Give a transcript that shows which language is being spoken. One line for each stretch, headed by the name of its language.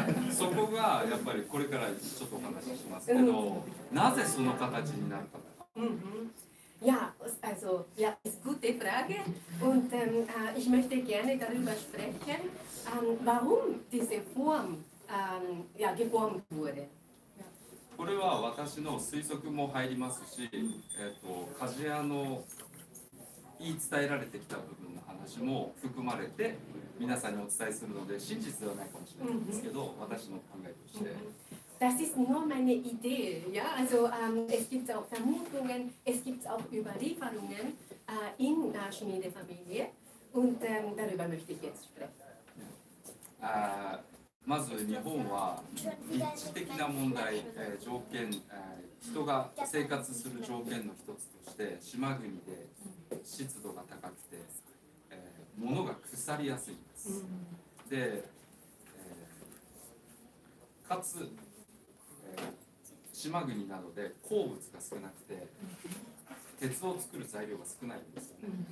Japanese: そこがやっぱりこれからちょっとお話ししますけど、なぜその形になったか。
German: Ja, also, ja, ist gute Frage. Und ich möchte gerne darüber sprechen, warum diese Form ja, geformt wurde.
Japanese: これは私の推測も入りますし、鍛冶屋の言い伝えられてきた部分の話も含まれて皆さんにお伝えするので、真実ではないかもしれないんですけど、私の考えとして。
German: Das ist nur meine Idee, ja. Also es gibt auch Vermutungen, es gibt auch Überlieferungen in der Schmiedefamilie und darüber möchte ich jetzt sprechen.
Japanese: まず日本は立地的な問題、条件、人が生活する条件の一つとして島国で湿度が高くて、物が腐りやすいんです。で、かつ島国などで鉱物が少なくて鉄を作る材料が少ないんですよね。